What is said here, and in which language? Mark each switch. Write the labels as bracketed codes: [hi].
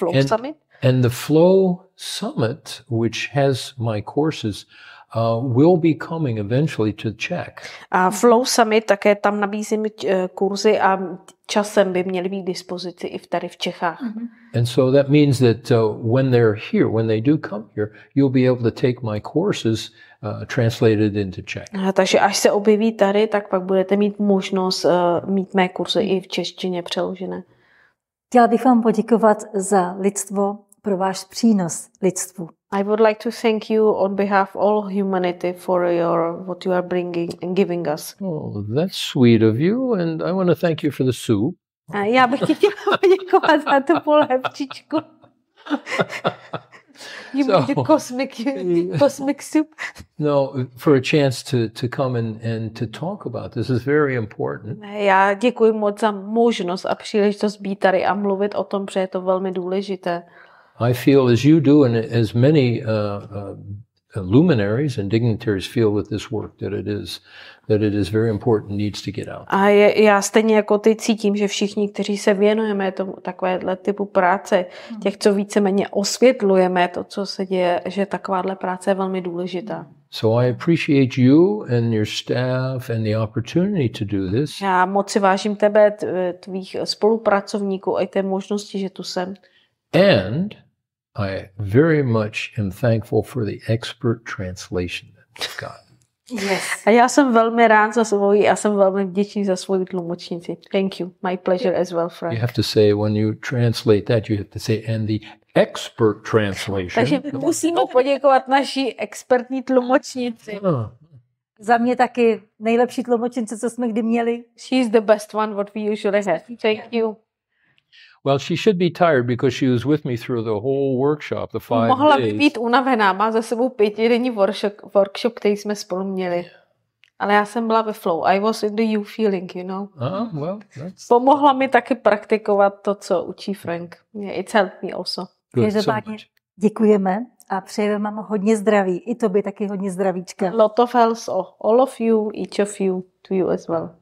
[en] and, summit. And the flow summit, which has my courses, will be coming eventually to Czech. [cs] A Flow Summit také tam nabízím kurzy a časem by měly být k dispozici i tady v Čechách. Mm-hmm. [en] And so that means that when they're here, when they do come here, you'll be able to take my courses translated into Czech. [cs] Takže až se objeví tady, tak pak budete mít možnost mít mé kurzy i v češtině přeložené. Chtěla bych vám poděkovat za lidstvo, pro váš přínos lidstvu. [en] I would like to thank you on behalf of all humanity for your what you are bringing and giving us. Oh, that's sweet of you, and I want to thank you for the soup. [cs] Já bych ti chtěla poděkovat za tu polévčičku. [en] You mean the cosmic soup? No, for a chance to come and to talk about this is very important. [cs] Já děkuji moc za možnost a příležitost být tady a mluvit o tom, protože je to velmi důležité. [en] I feel as you do and as many luminaries and dignitaries feel with this work that it is very important needs to get out. [cs] A já stejně jako ty cítím, že všichni, kteří se věnujeme tomu takovéhle typu práce, těch, co víceméně osvětlujeme to, co se děje, že takováhle práce je velmi důležitá. [en] So I appreciate you and your staff and the opportunity to do this. [cs] Já moc si vážím tebe, tvých spolupracovníků a té možnosti, že tu jsem. [en] And I very much am thankful for the expert translation that we've got. Yes. [cs] A já jsem velmi rád za svoji, já jsem velmi vděčný za svoji tlumočnici. [en] Thank you. My pleasure as well, Frank. You have to say, when you translate that, you have to say, and the expert translation. [cs] Takže musíme poděkovat naší expertní tlumočnici. Za mě taky nejlepší tlumočnice, co jsme kdy měli. [en] She's the best one, what we usually have. Thank you. Well, she should be tired because she was with me through the whole workshop, the 5 days. [cs] Mohla by být unavená, má za sebou 5denní workshop, který jsme spolu měli. Ale já jsem byla ve flow. [en] I was in the you feeling, you know. Well, that's... [cs] Pomohla mi taky praktikovat to, co učí Frank. [en] It's helped me also. Good, so much. [cs] Děkujeme a přejeme vám hodně zdraví. I tobě taky hodně zdravíčka. [en] Lot of health, all of you, each of you, to you as well.